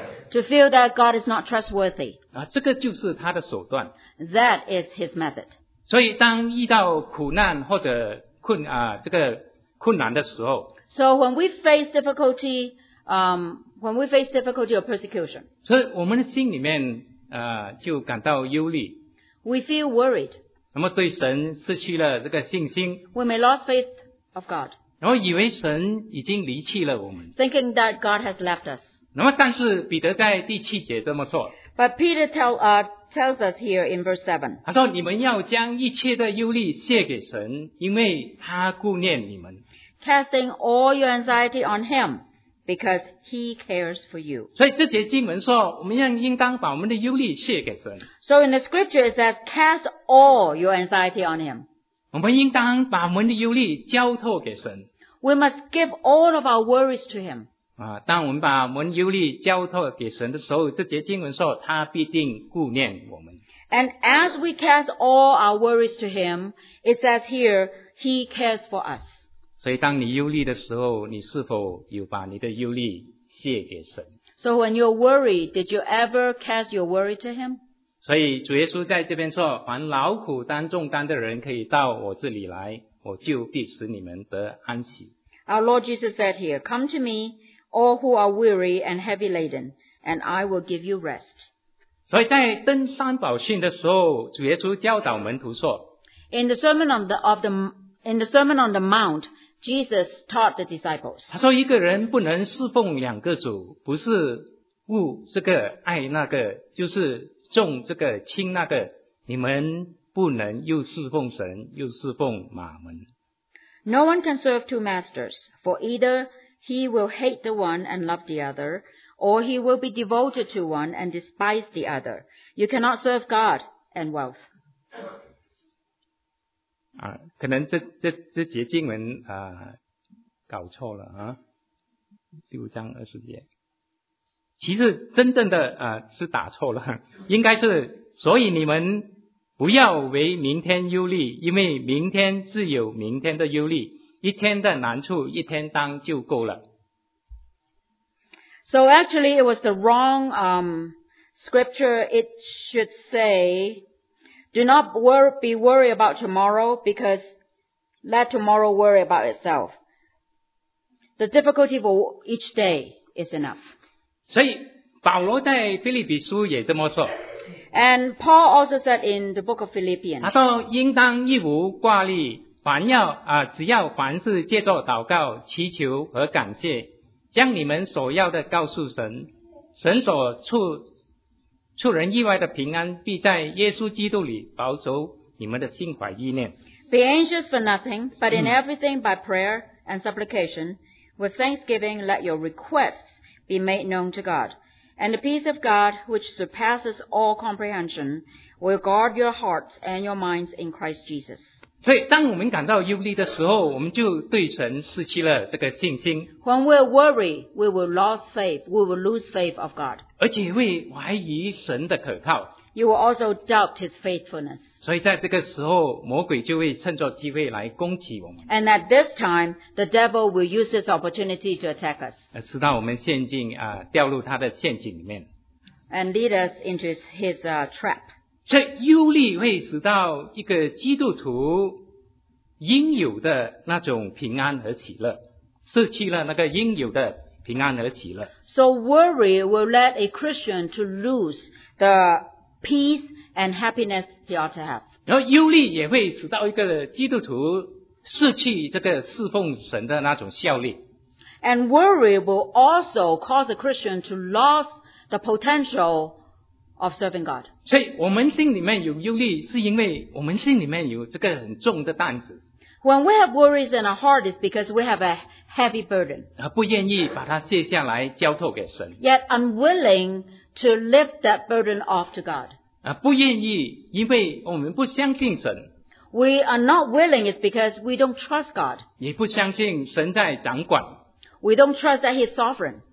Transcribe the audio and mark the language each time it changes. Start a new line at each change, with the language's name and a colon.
English: To feel that God is not trustworthy.
Chinese: 啊，这个就是他的手段。
English: That is his method.
Chinese: 所以当遇到苦难或者困啊这个困难的时候。
English: So when we face difficulty, when we face difficulty or persecution.
Chinese: 所以我们的心里面就感到忧虑。
English: We feel worried.
Chinese: 那么对神失去了这个信心。
English: We may lose faith of God.
Chinese: 然后以为神已经离弃了我们。
English: Thinking that God has left us.
Chinese: 那么但是彼得在第七节这么说。
English: But Peter tells us here in verse 7.
Chinese: 他说你们要将一切的忧虑卸给神，因为他顾念你们。
English: Casting all your anxiety on him, because he cares for you.
Chinese: 所以这节经文说我们应当把我们的忧虑卸给神。
English: So in the scripture it says, cast all your anxiety on him.
Chinese: 我们应当把我们的忧虑交托给神。
English: We must give all of our worries to him.
Chinese: 当我们把我们忧虑交托给神的时候，这节经文说他必定顾念我们。
English: And as we cast all our worries to him, it says here, he cares for us.
Chinese: 所以当你忧虑的时候，你是否有把你的忧虑卸给神？
English: So when you're worried, did you ever cast your worry to him?
Chinese: 所以主耶稣在这边说，凡劳苦担重担的人可以到我这里来，我就必使你们得安息。
English: Our Lord Jesus said here, come to me, all who are weary and heavy laden, and I will give you rest.
Chinese: 所以在登山宝训的时候，主耶稣教导门徒说，
English: In the Sermon on the Mount, Jesus taught the disciples.
Chinese: 他说一个人不能侍奉两个主，不是恶这个爱那个，就是重这个轻那个，你们不能又侍奉神又侍奉马门。
English: No one can serve two masters, for either he will hate the one and love the other, or he will be devoted to one and despise the other. You cannot serve God and wealth.
Chinese: 可能这节经文搞错了六章二十节。其实真正的是打错了，应该是所以你们不要为明天忧虑，因为明天自有明天的忧虑，一天的难处一天当就够了。
English: So actually it was the wrong scripture. It should say,Do not be worried about tomorrow, because let tomorrow worry about itself. The difficulty for each day is enough.
Chinese: 所以保罗在腓立比书也这么说。
English: And Paul also said in the book of Philippians.
Chinese: 他说应当一无挂虑，凡要只要凡事借着祷告、祈求和感谢，将你们所要的告诉神，神所出人意外的平安必在耶稣基督里保守你们的心怀意念。
English: Be anxious for nothing, but in everything by prayer and supplication, with thanksgiving let your requests be made known to God. And the peace of God, which surpasses all comprehension, will guard your hearts and your minds in Christ Jesus.
Chinese: 所以当我们感到忧虑的时候，我们就对神失去了这个信心。
English: When we're worried, we will lose faith. We will lose faith of God.
Chinese: 而且会怀疑神的可靠。
English: You will also doubt his faithfulness.
Chinese: 所以在这个时候，魔鬼就会趁着机会来攻击我们。
English: And at this time, the devil will use this opportunity to attack us.
Chinese: 直到我们陷阱掉入他的陷阱里面。
English: And lead us into his trap.
Chinese: 这忧虑会使到一个基督徒应有的那种平安和喜乐，失去了那个应有的平安和喜乐。
English: So worry will let a Christian to lose the peace and happiness he ought to have.
Chinese: 然后忧虑也会使到一个基督徒失去这个侍奉神的那种效力。
English: And worry will also cause a Christian to lose the potential. Of serving God.
Chinese: 所以我们心里面有忧虑，是因为我们心里面有这个很重的担子。
English: When we have worries in our heart, it's because we have a heavy burden.
Chinese: 不愿意把它卸下来交托给神。
English: Yet unwilling to lift that burden off to God.
Chinese: 不愿意，因为我们不相信神。
English: We are not willing, it's because we don't trust God.
Chinese: 也不相信神在掌管。
English: We don't trust that He's sovereign.